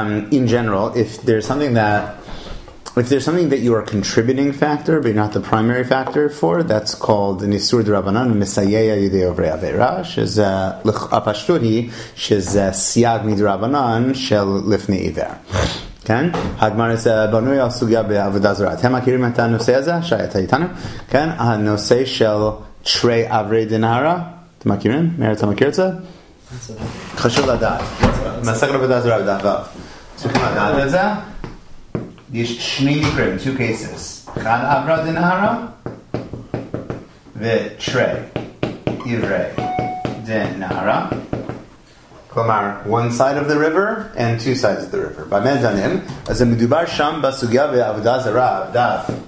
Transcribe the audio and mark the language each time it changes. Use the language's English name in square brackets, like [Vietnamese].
[English] In general, if there's something that you are contributing factor but you're not the primary factor for, that's called an [Hebrew] isur d'rabanan misayeya yidei ovrei avera, she's apashtuti, she's siag midrabanan shel lifnei iver. כן, הגמרא זה בנוי על סוגיה בעבודה זרה. אתם מכירים את הנושא הזה? שי, אתה איתנו? כן, הנושא של תרי אברי דנהרה, אתם מכירים? מאיר, אתה מכיר את זה? חשוב לדעת. מסכת עבודה זרה בדף ו'. צריכים לדעת את זה? יש שני מקרים, [English] two cases. [Hebrew] אחד אברה דנהרה ותרי אברי דנהרה. כלומר, [English] one side of the river and two sides of the river. [Hebrew] במה דנים? אז זה מדובר שם בסוגיה בעבודה זרה, עבדה.